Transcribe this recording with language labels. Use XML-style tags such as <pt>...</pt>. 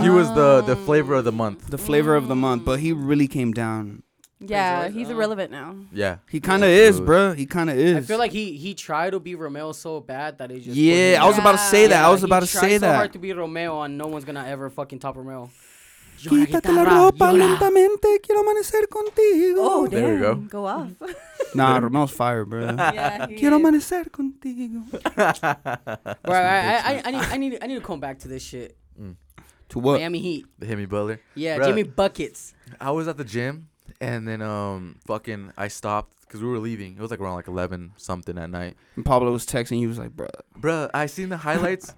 <en>He was the flavor of the month. The flavor of the month. But he really came down. Yeah, he's irrelevant now. Yeah. He kind of is, bro. He kind of is. I feel like he tried to be Romeo so bad that it just... Yeah, I was about to say that. He tried so hard to be Romeo and no one's going to ever fucking top Romeo.</en> <es>Quítate la ropa lentamente, quiero amanecer contigo.</es> <en>Oh, damn. There you go. Go off. Nah, Romeo's fire, bro. Yeah,</en> <es>quiero amanecer contigo.</es> <en>Bro, I need to come back to this shit. Mm. To what? Miami Heat. The Jimmy Butler. Yeah, bruh, Jimmy Buckets. I was at the gym, and then fucking I stopped because we were leaving. It was like around like 11 something at night. And Pablo was texting. He was like, bro. Bro, I seen the highlights.</en>